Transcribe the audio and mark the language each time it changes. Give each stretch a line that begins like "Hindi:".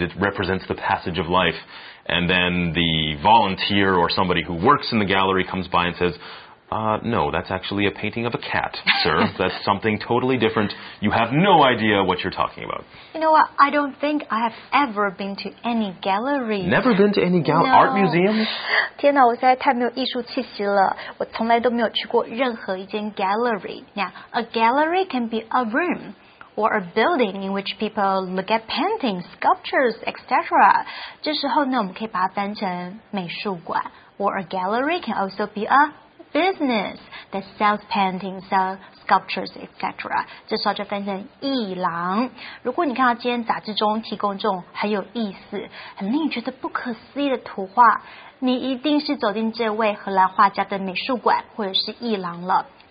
English: It represents the passage of life. And then the volunteer or somebody who works in the gallery comes by and says, no, that's actually a painting of a cat, sir. That's something totally different. You have no idea what you're talking about. You know what? I don't think I have ever been to any gallery. Never been to any gallery? No. Art museum?
Chinese: 天哪，我现在太没有艺术气息了。我从来都没有去过任何一间 gallery.
English: Now, a gallery can be a room or a building in which people look at paintings, sculptures, etc.
Chinese: 这时候呢，我们可以把它翻成美术馆。
English: Or a gallery can also be a... business that sells paintings, sells sculptures, etc.
Chinese: 这时候就翻成艺廊。如果你看到今天杂志中提供这种很有意思、很令你觉得不可思议的图画，你一定是走进这位荷兰画家的美术馆或者是艺廊了。